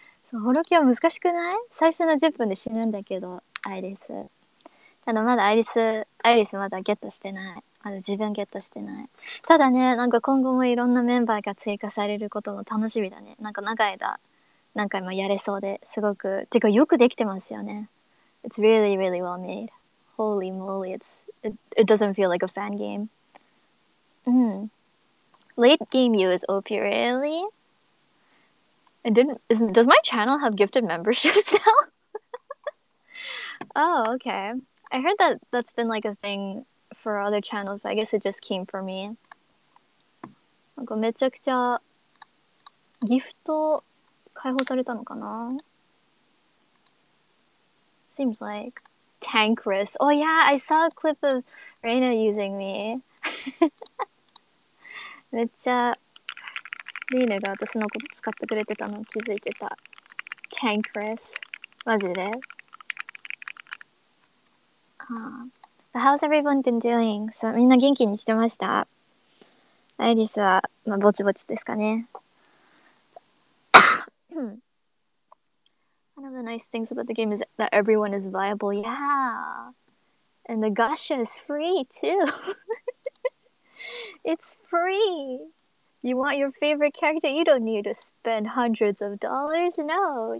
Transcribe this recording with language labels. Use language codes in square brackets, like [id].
[ja] So, Holocure は難しくない?最初の10分で死ぬんだけど、アイリス。ただまだアイリスまだゲットしてない。まだ自分ゲットしてない。ただね、なんか今後もいろんなメンバーが追加されることも楽しみだね。なんか長い間、何回もやれそうで、すごく。てかよくできてますよね。 [en] It's really, really well made. Holy moly, it doesn't feel like a fan game. Mm. Late game you is OP, really? Does my channel have gifted memberships now? Oh, okay. I heard that that's been like a thing... for other channels, but I guess it just came for me. [ja] なんかめちゃくちゃギフト解放されたのかな。 [en] Seems like Tancris. Oh yeah, I saw a clip of Reina using me. [ja] めっちゃリーネが私のこと使ってくれてたの気づいてた。 Tancris. マジで。 [en] How's everyone been doing? [ja] So, みんな元気にしてました。アイリスは、まあ、ぼちぼちですかね。 [en] One of the nice things about the game is that everyone is viable. Yeah! And the gacha is free too! It's free! You want your favorite character? You don't need to spend hundreds of dollars? No!